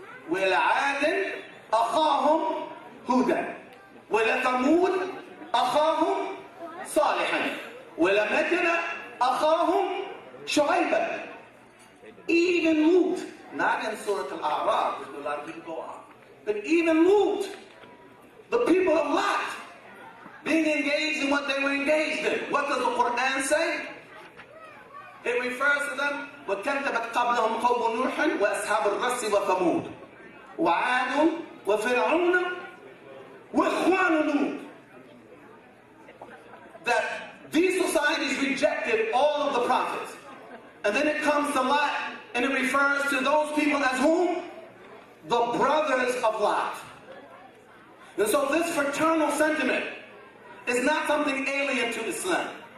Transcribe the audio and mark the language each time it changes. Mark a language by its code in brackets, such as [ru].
[ar] وَلَعَادٍ أَخَاهُمْ هُودًا وَلَثَمُودَ أَخَاهُمْ صَالِحًا وَلَمَكَنَ أَخَاهُمْ شُعَيْبًا. [en] Even Lut, not in Surah Al-A'raf, a lot of people go on, but even Lut, the people of Lot, being engaged in what they were engaged in, what does the Quran say? It refers to them, [ar] وَكَتَبَتْ قَبْلَهُمْ قَوْمُ نُوحٍ وَأَسْحَابُ الرَّسِّ وَثَمُودُ وَعَادٌ وَفِرْعُونَ وَإِخْوَانُ لُوطٍ. [en] That these societies rejected all of the prophets. And then it comes to Lot, and it refers to those people as whom? The brothers of Lot. And so this fraternal sentiment is not something alien to Islam.